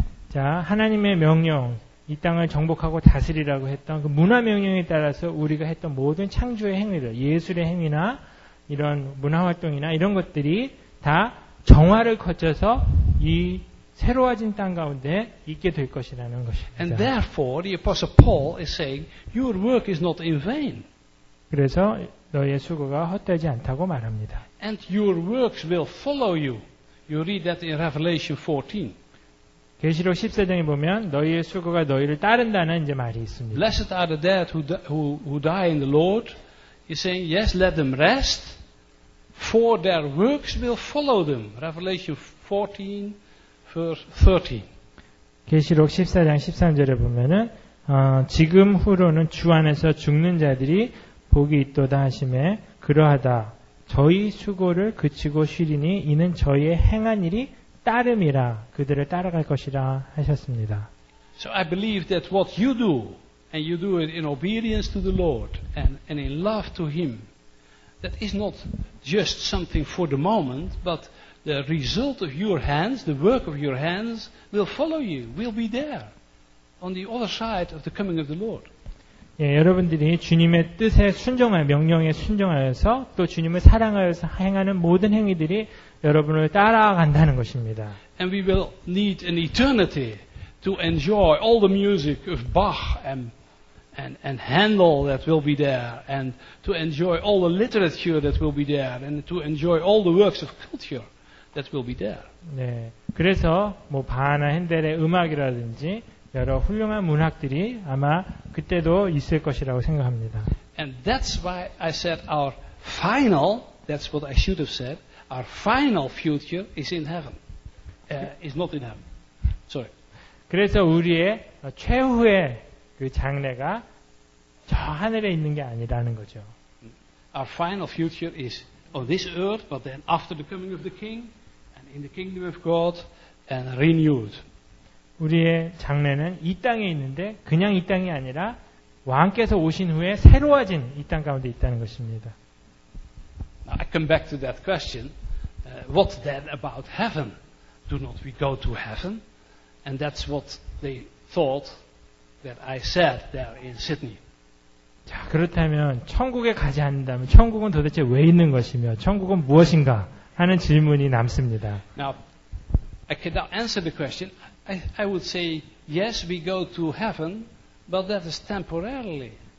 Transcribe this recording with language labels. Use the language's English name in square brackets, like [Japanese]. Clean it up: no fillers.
[Korean] 자, 하나님의 명령, 이 땅을 정복하고 다스리라고 했던 그 문화 명령에 따라서 우리가 했던 모든 창조의 행위를, 예술의 행위나 이런 문화 활동이나 이런 것들이 다 정화를 거쳐서 이 새로워진 땅 가운데 있게 될 것이라는 것입니다. [English] And therefore, the Apostle Paul is saying, your work is not in vain. [Korean] 그래서 너의 수고가 헛되지 않다고 말합니다. [English] And your works will follow you. You read that in Revelation 14. [Korean] 계시록 14장에 보면 너희의 수고가 너희를 따른다는 이제 말이 있습니다. [English] Blessed are the dead who die in the Lord. He's saying, yes, let them rest, for their works will follow them. Revelation 14, verse 13. [Korean] 계시록 14장 13절에 보면은 지금 후로는 주 안에서 죽는 자들이 복이 있도다 하심에 그러하다. 저희 수고를 그치고 쉬리니 이는 저희의 행한 일이 따름이라 그들을 따라갈 것이라 하셨습니다. [English] So I believe that what you do and you do it in obedience to the Lord and in love to Him, that is not just something for the moment, but the result of your hands, the work of your hands, will follow you, will be there on the other side of the coming of the Lord. [Korean] 예, 여러분들이 주님의 뜻에 순종하여 명령에 순종하여서 또 주님을 사랑하여서 행하는 모든 행위들이 여러분을 따라간다는 것입니다. [English] And we will need an eternity to enjoy all the music of Bach and Handel that will be there and to enjoy all the literature that will be there and to enjoy all the works of culture that will be there. [Korean] 네. 그래서 뭐 바하나 핸델의 음악이라든지 여러 훌륭한 문학들이 아마 그때도 있을 것이라고 생각합니다. [English] And that's why I said our final, that's what I should have said, our final future is in heaven. Is not in heaven. Sorry. [Korean] 그래서 우리의 최후의 그 장래가 저 하늘에 있는 게 아니라는 거죠. [English] Our final future is on this earth, but then after the coming of the King and in the kingdom of God and renewed. [Korean] 우리의 장래는 이 땅에 있는데 그냥 이 땅이 아니라 왕께서 오신 후에 새로워진 이 땅 가운데 있다는 것입니다. [English] Now I come back to that question. What then about heaven? Do not we go to heaven? And that's what they thought that I said there in Sydney. [Korean] 자, 그렇다면 천국에 가지 않는다면 천국은 도대체 왜 있는 것이며 천국은 무엇인가 하는 질문이 남습니다. [English] Now I cannot answer the question. I would say yes, we go to heaven, but that is temporarily.